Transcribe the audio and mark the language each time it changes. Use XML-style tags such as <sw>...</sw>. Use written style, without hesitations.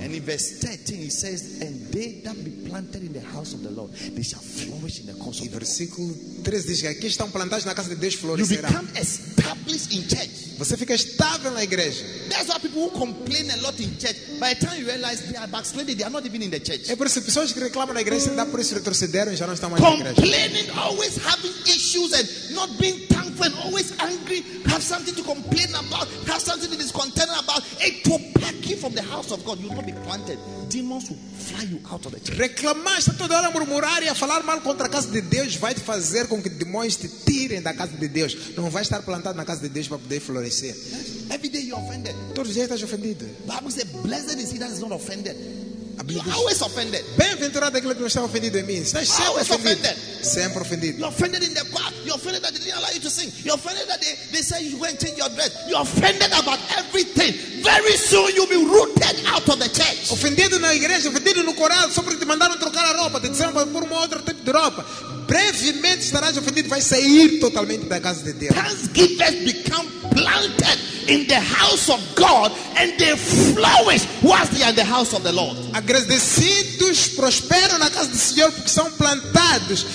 <en>And in verse 13 he says, and they that be planted in the house of the Lord, they shall flourish in the course of the Lord.</en> <pt>Versículo 13 diz que aqueles que estão plantados na casa de Deus florescerão.</pt> <en>You become established in church.</en> <pt>Você fica estável na igreja.</pt> <en>That's why people who complain a lot in church, by the time you realize they are backslidden, they are not even in the church.</en> <pt>É por isso que pessoas que reclamam na igreja, ainda por isso retrocederam e já não estão mais</pt> <en>complaining,</en> <pt>na igreja.</pt> <en>Complaining, always having issues and not being thankful and always angry, have something to complain about, have something to discontent about, it will pluck you from the house of God. You will not be planted. Demons will fly you out of the church.</en> <pt>Reclamar, está toda hora a murmurar e a falar mal contra a casa de Deus, vai te fazer com que demônios te tirem da casa de Deus. Não vai estar plantado na casa de Deus para poder florescer.</pt> <en>Every day you're offended.</en> <pt>Todos os dias estás ofendido.</pt> <en>Bible says, blessed is he that is not offended. You're always offended.</en> <pt>Bem-aventurado aquele que não está ofendido em mim. Você está sempre</pt> <en>always offended.</en> <pt>Sempre ofendido.</pt> <en>You're offended in the choir. You're offended that they didn't allow you to sing. You're offended that they said you go and change your dress. You're offended about everything. Very soon you'll be rooted out of the church.</en> <pt>Ofendido na igreja, ofendido no coral, só porque te mandaram trocar a roupa, te disseram para pôr uma outra tipo de roupa. Brevemente estarás ofendido, vai sair totalmente da casa de Deus.</pt> <en>Thanksgivers become planted in the house of God and they flourish whilst they are in the house of the Lord.</en> <pt>Agradecidos prosperam na casa do Senhor porque são plantados.</pt>